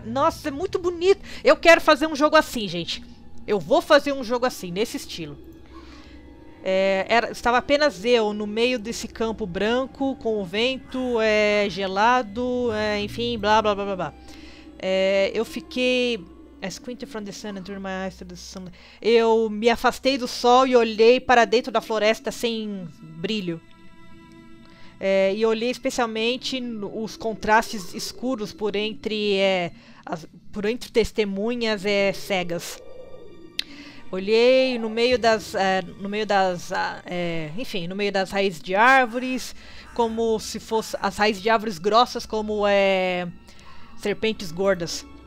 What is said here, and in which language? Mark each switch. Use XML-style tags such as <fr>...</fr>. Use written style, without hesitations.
<pt>Nossa, é muito bonito! Eu quero fazer um jogo assim, gente. Eu vou fazer um jogo assim, nesse estilo. Estava apenas eu no meio desse campo branco, com o vento gelado, enfim, blá blá blá blá blá. Eu fiquei.</pt> <en>I squinted from the sun and turned my eyes to the sun.</en> <pt>Eu me afastei do sol e olhei para dentro da floresta sem brilho. E olhei especialmente os contrastes escuros por entre testemunhas cegas. Olhei no meio das. No meio das. Enfim, no meio das raízes de árvores, como se fossem as raízes de árvores grossas como serpentes gordas.</pt>